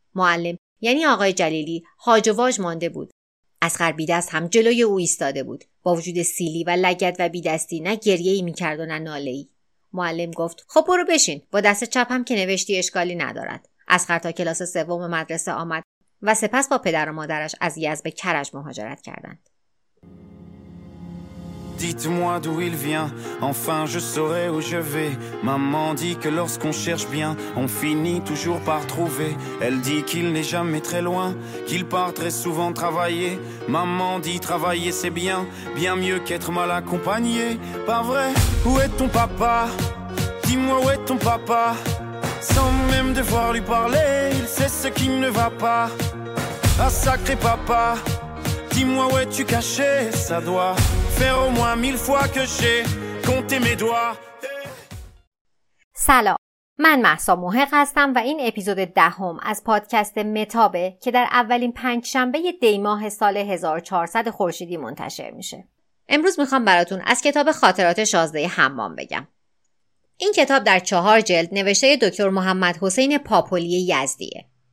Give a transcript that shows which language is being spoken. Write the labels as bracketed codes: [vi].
[fa] معلم یعنی آقای جلیلی هاج و واج مانده بود. اصغر بی دست هم جلوی او ایستاده بود. با وجود سیلی و لگد و بی دستی نه گریه ای میکرد و نه ناله ای. معلم گفت: خب برو بشین، با دست چپ هم که نوشتی اشکالی ندارد. اصغر تا کلاس سوم مدرسه آمد و سپس با پدر و مادرش از یزد به کرج مهاجرت کردند. [fr] Dites-moi d'où il vient, enfin je saurai où je vais. Maman dit que lorsqu'on cherche bien, on finit toujours par trouver. Elle dit qu'il n'est jamais très loin, qu'il part très souvent travailler. Maman dit travailler c'est bien, bien mieux qu'être mal accompagné. Pas vrai? Où est ton papa? Dis-moi où est ton papa? Sans même devoir lui parler, il sait ce qui ne va pas. Ah sacré papa, dis-moi où es-tu caché? Ça doit faire au moins mille fois que j'ai compté mes doigts. Salut. [fa] من مهسا محق هستم و این اپیزود دهم از پادکست متابه که در اولین پنج شنبه دی ماه سال 1400 خورشیدی منتشر میشه. امروز میخوام براتون از کتاب خاطرات شازده حمام بگم. این کتاب در چهار جلد نوشته دکتر محمد حسین پاپلی یزدیه.